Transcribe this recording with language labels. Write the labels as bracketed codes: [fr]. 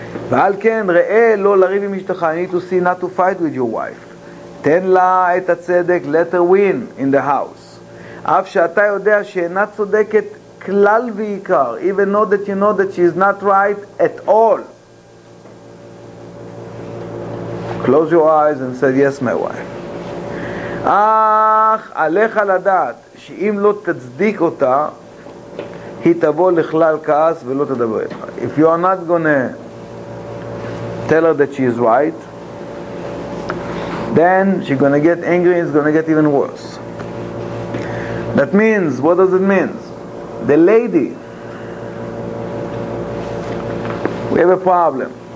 [he] ועל כן ראה לא לריב עם אשתך, [en] you need to see not to fight with your wife, [he] תן לה את הצדק, [en] let her win in the house, [he] אף שאתה יודע שאינה צודקת כלל ועיקר, [en] even know that you know that she is not right at all. Close your eyes and say yes my wife. [he] אך עליך לדעת שאם לא תצדיק אותה היא תבוא לכלל כעס ולא תדבר איתך. [en] If you are not gonna tell her that she is right, then she's going to get angry and it's going to get even worse. That means, what does it mean? The lady, we have a problem.